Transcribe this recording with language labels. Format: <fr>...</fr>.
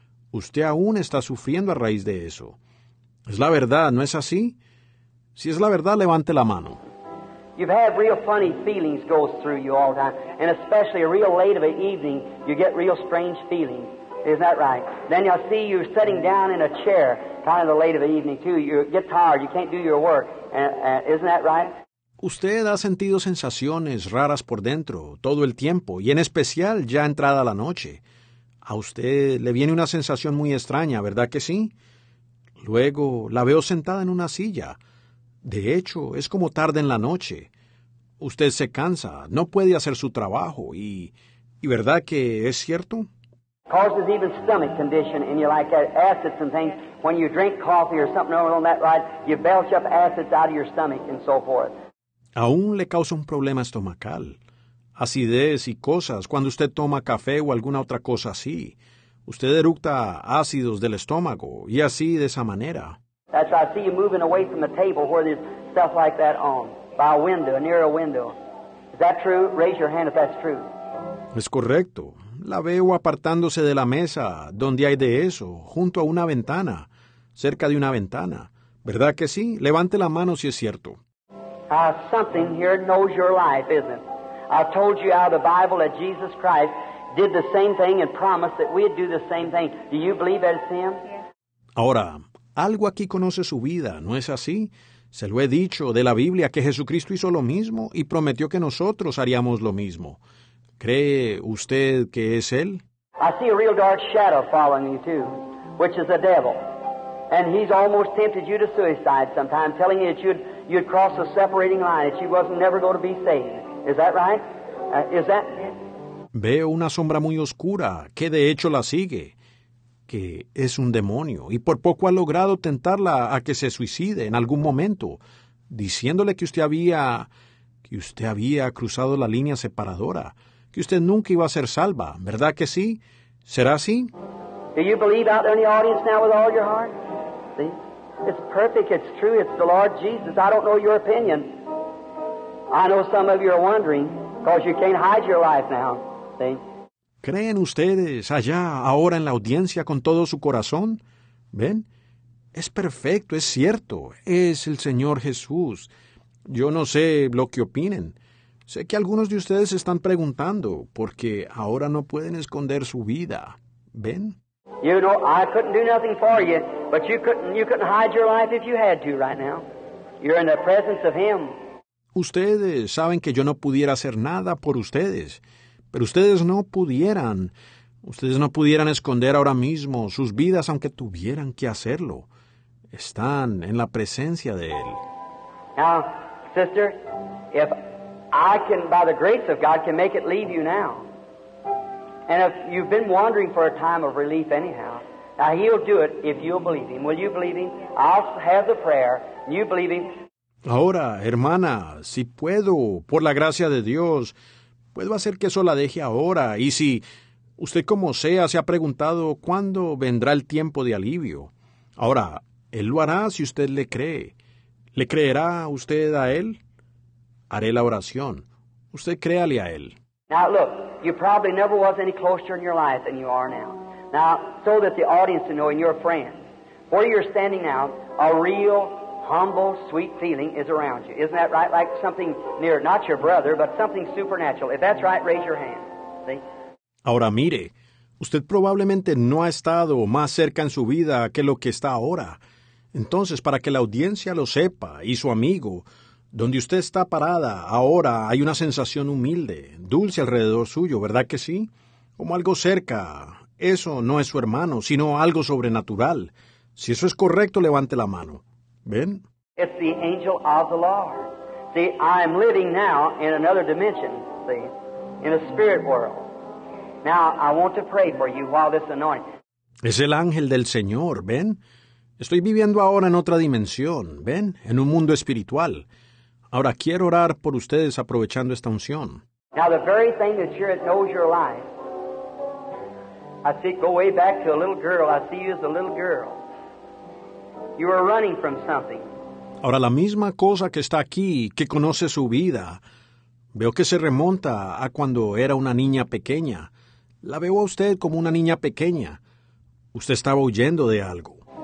<es>Usted aún está sufriendo a raíz de eso. Es la verdad, ¿no es así? Si es la verdad, levante la mano.</es> <en>You've had real funny feelings go through you all the time, and especially real late of an evening, you get real strange feelings. Isn't that right? Then you'll see you sitting down in a chair, kind of the late of the evening too. You get tired, you can't do your work. Isn't that right?</en> <es>Usted ha sentido sensaciones raras por dentro todo el tiempo, y en especial ya entrada la noche. A usted le viene una sensación muy extraña, ¿verdad que sí? Luego la veo sentada en una silla. De hecho, es como tarde en la noche. Usted se cansa, no puede hacer su trabajo, y ¿verdad que es cierto?</es> <en>Causes even stomach condition and you like acids and things. When you drink coffee or something on that ride, you belch up acids out of your stomach and so forth.</en> <es>Aún le causa un problema estomacal. Acidez y cosas cuando usted toma café o alguna otra cosa así. Usted eructa ácidos del estómago y así de esa manera.</es> <en>That's why I see you moving away from the table where there's stuff like that on, by a window, near a window. Is that true? Raise your hand if that's true.</en> <es>Es correcto. La veo apartándose de la mesa donde hay de eso, junto a una ventana, cerca de una ventana. ¿Verdad que sí? Levante la mano si es cierto.</es> <en>Something here knows your life, isn't it? I told you out of the Bible that Jesus Christ did the same thing and promised that we'd do the same thing. Do you believe that it's Him?</en> <es>Ahora, algo aquí conoce su vida, ¿no es así? Se lo he dicho de la Biblia que Jesucristo hizo lo mismo y prometió que nosotros haríamos lo mismo. ¿Cree usted que es Él?</es> <en>I see a real dark shadow following you too, which is the devil. And he's almost tempted you to suicide sometimes, telling you that you'd cross a separating line, that you wasn't never going to be saved. Is that right? Is that...</en> <es>Veo una sombra muy oscura que de hecho la sigue, que es un demonio, y por poco ha logrado tentarla a que se suicide en algún momento, diciéndole que usted había cruzado la línea separadora, que usted nunca iba a ser salva, ¿verdad que sí? ¿Será así?</es> <en>Do you believe out there in the audience now with all your heart? See? It's perfect, it's true, it's the Lord Jesus. I don't know your opinion. I know some of you are wondering, because you can't hide your life now. See?</en> <es>¿Creen ustedes allá ahora en la audiencia con todo su corazón? ¿Ven? Es perfecto, es cierto. Es el Señor Jesús. Yo no sé lo que opinen. Sé que algunos de ustedes están preguntando porque ahora no pueden esconder su vida. ¿Ven?</es> <en>You know, I couldn't do nothing for you, but you couldn't hide your life if you had to right now. You're in the presence of Him.</en> <es>Ustedes saben que yo no pudiera hacer nada por ustedes. Pero ustedes no pudieran esconder ahora mismo sus vidas aunque tuvieran que hacerlo. Están en la presencia de Él.</es> <en>Now, sister, if I can, by the grace of God, can make it leave you now. And if you've been wandering for a time of relief anyhow, now He'll do it if you'll believe Him. Will you believe Him? I'll have the prayer. You believe Him.</en> <es>Ahora, hermana, si puedo, por la gracia de Dios, puedo hacer que eso la deje ahora. Y si usted, como sea, se ha preguntado cuándo vendrá el tiempo de alivio, ahora, él lo hará si usted le cree. ¿Le creerá usted a él? Haré la oración. Usted créale a él.</es> <en>Now look, you probably never was any closer in your life than you are now. Now, so that the audience will know and your friends, where you're standing now, a real, humble, sweet feeling is around you. Isn't that right? Like something near, not your brother, but something supernatural. If that's right, raise your hand. See?</en> <es>Ahora mire, usted probablemente no ha estado más cerca en su vida que lo que está ahora. Entonces, para que la audiencia lo sepa y su amigo, donde usted está parada, ahora hay una sensación humilde, dulce alrededor suyo, ¿verdad que sí? Como algo cerca. Eso no es su hermano, sino algo sobrenatural. Si eso es correcto, levante la mano. ¿Ven?</es> <en>It's the angel of the Lord. See, I'm living now in another dimension, see, in a spirit world. Now, I want to pray for you while this anointing.</en> <es>Es el ángel del Señor, ¿ven? Estoy viviendo ahora en otra dimensión, ¿ven? En un mundo espiritual. Ahora quiero orar por ustedes aprovechando esta unción.</es> <en>Now the very thing that sure knows your life, I see, go way back to a little girl. I see you as a little girl. You are running from something.</en> <es>Ahora la misma cosa que está aquí, que conoce su vida, veo que se remonta a cuando era una niña pequeña. La veo a usted como una niña pequeña. Usted estaba huyendo de algo.</es>